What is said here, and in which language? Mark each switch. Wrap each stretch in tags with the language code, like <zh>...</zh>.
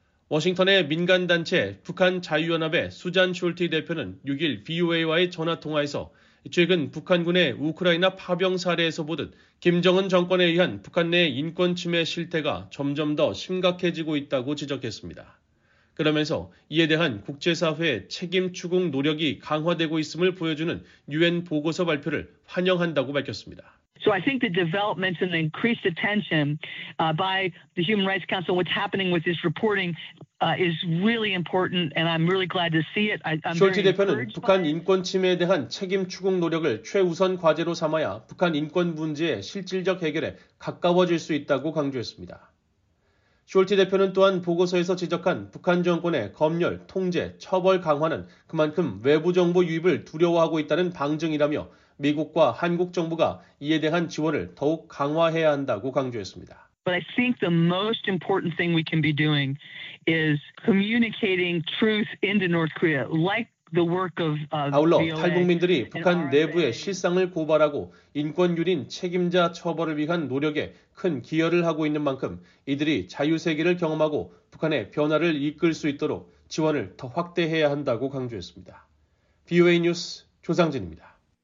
<ko>워싱턴의 민간단체 북한자유연합의 수잔 숄티 대표는 6일 VOA와의 전화통화에서 최근 북한군의 우크라이나 파병 사례에서 보듯 김정은 정권에 의한 북한 내 인권 침해 실태가 점점 더 심각해지고 있다고 지적했습니다. 그러면서 이에 대한 국제사회의 책임 추궁 노력이 강화되고 있음을 보여주는 UN 보고서 발표를 환영한다고 밝혔습니다.</ko> <en>So I think the developments and the increased attention by the Human Rights Council, what's happening with this reporting is really important and I'm really glad to see it.</en> <ko>숄티 대표는 북한 인권 침해에 대한 책임 추궁 노력을 최우선 과제로 삼아야 북한 인권 문제의 실질적 해결에 가까워질 수 있다고 강조했습니다. 숄티 대표는 또한 보고서에서 지적한 북한 정권의 검열, 통제, 처벌 강화는 그만큼 외부 정보 유입을 두려워하고 있다는 방증이라며 미국과 한국 정부가 이에 대한 지원을 더욱 강화해야 한다고 강조했습니다.</ko> <en>But I think the most important thing we can be doing is communicating truth into North Korea, like the work of VOA.</en> <ko>아울러 탈북민들이 북한 내부의 실상을 고발하고 인권 유린 책임자 처벌을 위한 노력에 큰 기여를 하고 있는 만큼 이들이 자유 세계를 경험하고 북한의 변화를 이끌 수 있도록 지원을 더 확대해야 한다고 강조했습니다. VOA 뉴스 조상진입니다.</ko>